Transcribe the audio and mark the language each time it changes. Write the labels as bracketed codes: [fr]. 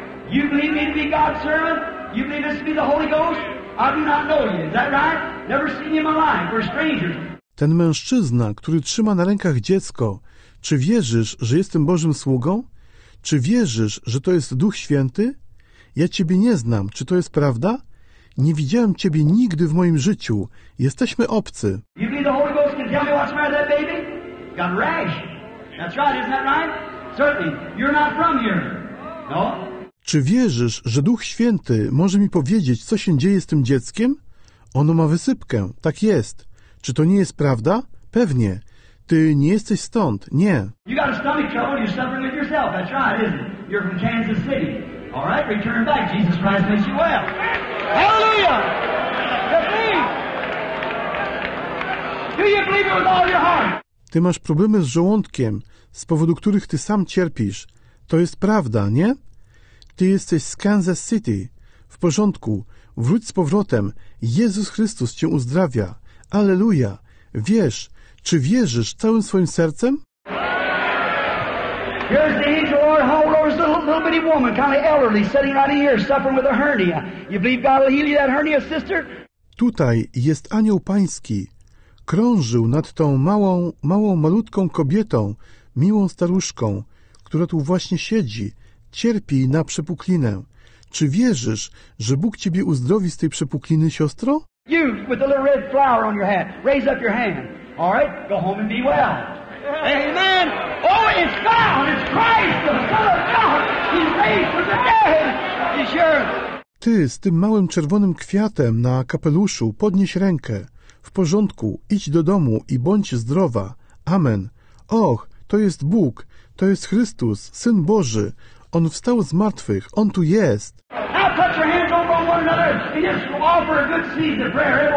[en] You believe me to be God's servant? You believe this to be the Holy Ghost? I do not know you. Is that right? Never seen you in my life. We're strangers. [pl] Ten mężczyzna, który trzyma na rękach dziecko, czy wierzysz, że jestem Bożym sługą? Czy wierzysz, że to jest Duch Święty? Ja ciebie nie znam. Czy to jest prawda? Nie widziałem ciebie nigdy w moim życiu. Jesteśmy obcy. [en] You believe the Holy Ghost can tell me what's the matter with that baby? Got a rash. That's right. Isn't that right? Certainly. You're not from here. No? [pl] Czy wierzysz, że Duch Święty może mi powiedzieć, co się dzieje z tym dzieckiem? Ono ma wysypkę. Tak jest. Czy to nie jest prawda? Pewnie. Ty nie jesteś stąd. Nie. [en] You got a stomach trouble. You're suffering with yourself. That's right, isn't it? You're from Kansas City. All right, return back. Jesus Christ makes you well. Hallelujah! Do you believe it with all your heart? [pl] Ty masz problemy z żołądkiem, z powodu których ty sam cierpisz. To jest prawda, nie? Ty jesteś z Kansas City. W porządku. Wróć z powrotem. Jezus Chrystus cię uzdrawia. Alleluja. Wiesz, czy wierzysz całym swoim sercem? [en] Here's the angel Lord hold over the little bitty woman, kind of elderly, sitting right here, suffering with a hernia. You believe God will heal you that hernia, sister? [pl] Tutaj jest anioł pański. Krążył nad tą małą, małą, malutką kobietą, miłą staruszką, która tu właśnie siedzi. Cierpi na przepuklinę. Czy wierzysz, że Bóg ciebie uzdrowi z tej przepukliny, siostro? [en] You with the little red flower on your hat. Raise up your hand. All right? Go home and be well. Amen. Oh, it's God. It's Christ, the Son of God. He's raised from the dead. He's sure. [pl] Ty z tym małym czerwonym kwiatem na kapeluszu, podnieś rękę. W porządku. Idź do domu i bądź zdrowa. Amen. Och, to jest Bóg. To jest Chrystus, Syn Boży. On wstał z martwych. On tu jest. [en] Now put your hands over on one another and just offer a good seed of prayer.